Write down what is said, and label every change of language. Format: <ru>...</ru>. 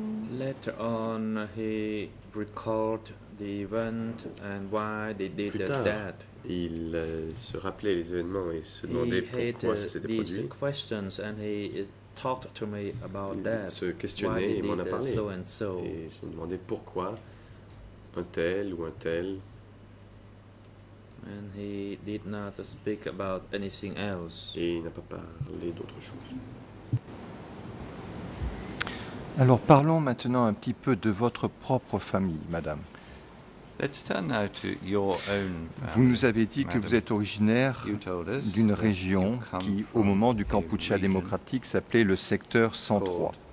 <en>Later on, he recalled the event and why they did that.</en> <fr>Il se rappelait les événements et se demandait pourquoi ça s'était produit.</fr> <en>Questions and he talked to me about that.</en> <fr>Il se questionnait et m'en a parlé.</fr> <en>So and so.</en> <fr>Et se demandait pourquoi un tel ou un tel.</fr> <en>And he did not speak about anything else.</en> <fr>Et il n'a pas parlé d'autre chose. Alors parlons maintenant un petit peu de votre propre famille, madame.</fr> <en>Let's turn now to your own family,</en> <fr>vous nous avez dit madame. Que vous êtes originaire d'une région qui, au moment du Kampuchea démocratique, s'appelait le secteur 103.</fr>